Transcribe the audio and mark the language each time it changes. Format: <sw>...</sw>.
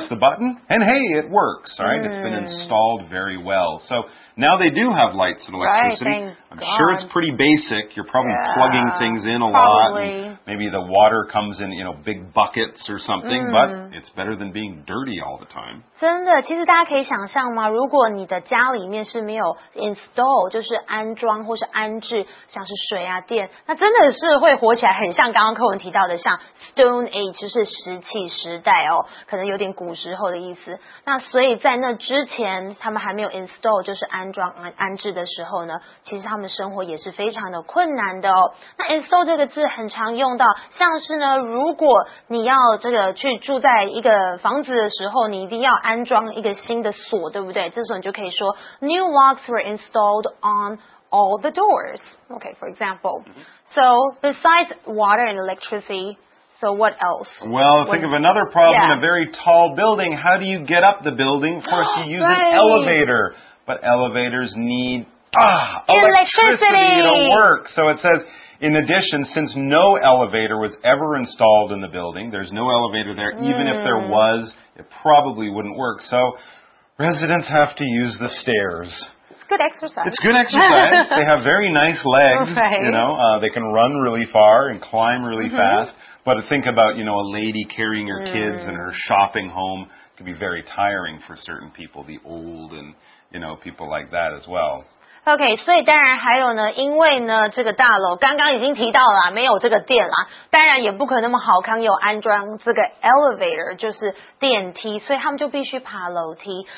<en>press the button, and hey, it works, all right?、Mm. It's been installed very well. So now they do have lights and electricity. Right, thank I'm、 God. Sure it's pretty basic. You're probably、 yeah. plugging things in a、 probably. Lot. Maybe the water comes in, you know, big buckets or something,、mm. but it's better than being dirty all the time.</en> <zh>真的，其实大家可以想象吗？如果你的家里面是没有 install, 就是安装或是安置，像是水啊、电，那真的是会活起来很像刚刚课文提到的，像 Stone Age, 就是石器时代哦，可能有点古时候的意思。那所以在那之前，他们还没有 install, 就是安装安置的时候呢，其实他们生活也是非常的困难的哦。那 install 这个字很常用到，像是呢，如果你要这个去住在一个房子的时候，你一定要安装一个新的锁，对不对？这时候你就可以说</zh> <en>new locks were installed on all the doors. Okay, for example. So besides water and electricity. So what else? Well, think of another problem,、yeah. a very tall building. How do you get up the building? Of course, you use、 right. an elevator. But elevators need electricity to work. So it says, in addition, since no elevator was ever installed in the building, there's no elevator there,、mm. even if there was, it probably wouldn't work. So residents have to use the stairs. It's good exercise. It's good exercise. They have very nice legs,、 right. you know,、they can run really far and climb really、mm-hmm. fast. But think about, you know, a lady carrying her、mm. kids and her shopping home. It can be very tiring for certain people, the old and, you know, people like that as well.</en> <zh>OK, 所以当然还有呢，因为呢这个大楼刚刚已经提到了、啊、没有这个电啦、啊、当然也不可能那么好康有安装这个 elevator, 就是电梯，所以他们就必须爬楼梯。</zh>